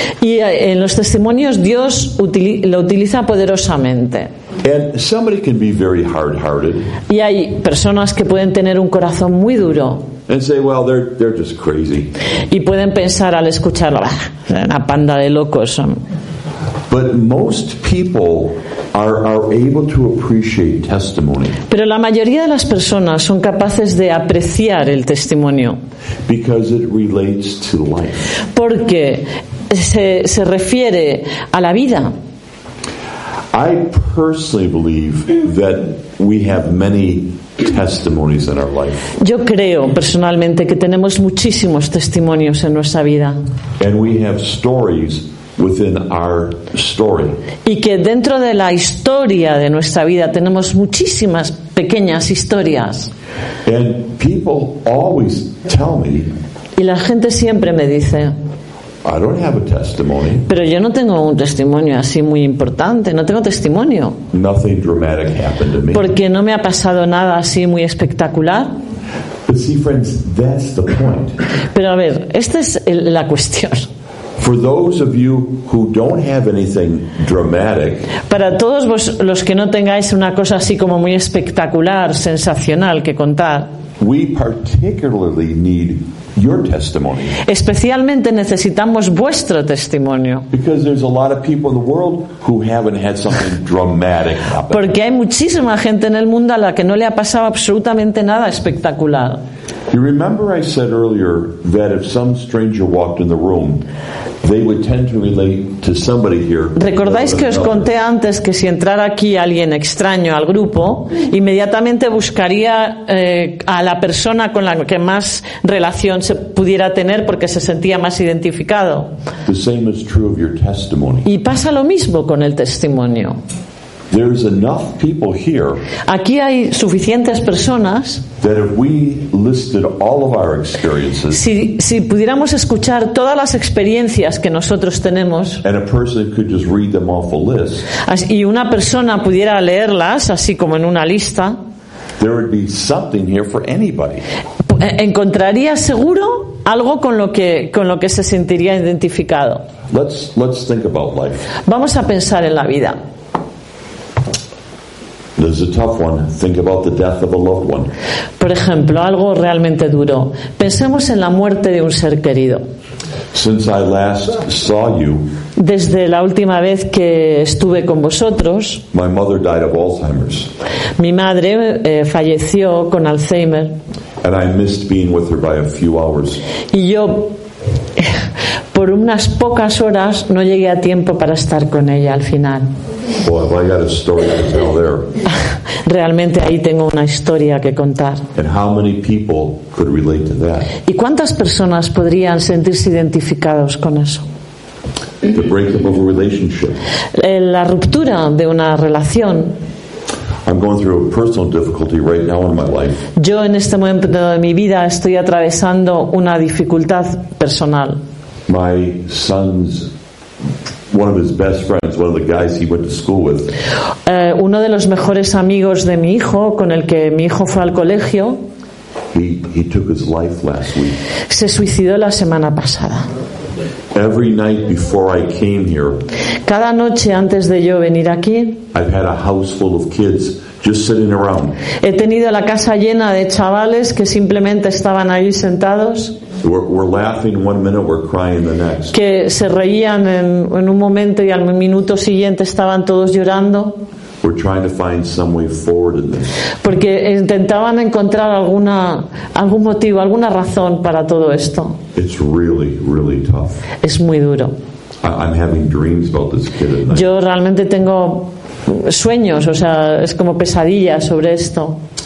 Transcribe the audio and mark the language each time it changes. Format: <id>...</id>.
<es>Y en los testimonios Dios lo utiliza poderosamente.</es> <en>And somebody can be very hard-hearted.</en> <es>Y hay personas que pueden tener un corazón muy duro.</es> <en>And say, well, they're just crazy.</en> <es>Y pueden pensar al escucharlo, una panda de locos.</es> <en>But most people are able to appreciate testimony.</en> <es>Pero la mayoría de las personas son capaces de apreciar el testimonio.</es> <en>Because it relates to life.</en> <es>Porque se refiere a la vida.</es> <en>I personally believe that we have many testimonies in our life.</en> <es>Yo creo personalmente que tenemos muchísimos testimonios en nuestra vida.</es> <en>And we have stories within our story.</en> <es>Y que dentro de la historia de nuestra vida tenemos muchísimas pequeñas historias.</es> <en>And people always tell me,</en> <es>y la gente siempre me dice,</es> <en>I don't have a testimony.</en> <es>Pero yo no tengo un testimonio así muy importante, no tengo testimonio.</es> <en>Nothing dramatic happened to me.</en> <es>Porque no me ha pasado nada así muy espectacular.</es> <en>But see, friends, that's the point.</en> <es>Pero a ver, esta es la cuestión.</es> <en>For those of you who don't have anything dramatic,</en> <es>para todos vos los que no tengáis una cosa así como muy espectacular, sensacional que contar,</es> <en>we particularly need your testimony.</en> <es>Especialmente necesitamos vuestro testimonio.</es> <en>Because there's a lot of people in the world who haven't had something dramatic happen.</en> <es>Porque hay muchísima gente en el mundo a la que no le ha pasado absolutamente nada espectacular.</es> <en>You remember I said earlier that if some stranger walked in the room, they would tend to relate to somebody here.</en> <es>¿Recordáis que os conté antes que si entrara aquí alguien extraño al grupo, inmediatamente buscaría a la persona con la que más relación se pudiera tener porque se sentía más identificado?</es> <en>The same is true of your testimony.</en> <es>Y pasa lo mismo con el testimonio.</es> <en>There's enough people here.</en> <es>Aquí hay suficientes personas.</es> <en>That if we listed all of our experiences.</en> <es>Si pudiéramos escuchar todas las experiencias que nosotros tenemos.</es> <en>And a person could just read them off a list.</en> <es>Y una persona pudiera leerlas así como en una lista.</es> <en>There would be something here for anybody.</en> <es>Encontraría seguro algo con lo que se sentiría identificado.</es> <en>Let's think about life.</en> <es>Vamos a pensar en la vida.</es> <en>This is a tough one. Think about the death of a loved one.</en> <es>Por ejemplo, algo realmente duro. Pensemos en la muerte de un ser querido.</es> <en>Since I last saw you,</en> <es>desde la última vez que estuve con vosotros,</es> <en>my mother died of Alzheimer's.</en> <es>Mi madre falleció con Alzheimer.</es> <en>And I missed being with her by a few hours.</en> <es>Y yo, por unas pocas horas, no llegué a tiempo para estar con ella al final.</es> <en>Boy, well, I got a story to tell there.</en> <es>Realmente ahí tengo una historia que contar.</es> <en>And how many people could relate to that?</en> <es>¿Y cuántas personas podrían sentirse identificados con eso?</es> <en>The breakup of a relationship.</en> <es>La ruptura de una relación.</es> <en>I'm going through a personal difficulty right now in my life.</en> <es>Yo en este momento de mi vida estoy atravesando una dificultad personal.</es> <en>My son's one of his best friends, one of the guys he went to school with.</en> <es>Uno de los mejores amigos de mi hijo, con el que mi hijo fue al colegio.</es> <en>He took his life last week.</en> <es>Se suicidó la semana pasada.</es> <en>Every night before I came here.</en> <es>Cada noche antes de yo venir aquí.</es> <en>I've had a house full of kids just sitting around.</en> <es>He tenido la casa llena de chavales que simplemente estaban ahí sentados.</es> <en>We're laughing one minute, we're crying the next.</en> <es>Que se reían en un momento y al minuto siguiente estaban todos llorando.</es> <en>We're trying to find some way forward in this.</en> <es>Porque intentaban encontrar algún motivo, alguna razón para todo esto.</es> <en>It's really, really tough.</en> <es>Es muy duro.</es> <en>I'm having dreams about this kid at night.</en> <es>Yo realmente tengo sueños, o sea, es como pesadillas sobre esto.</es>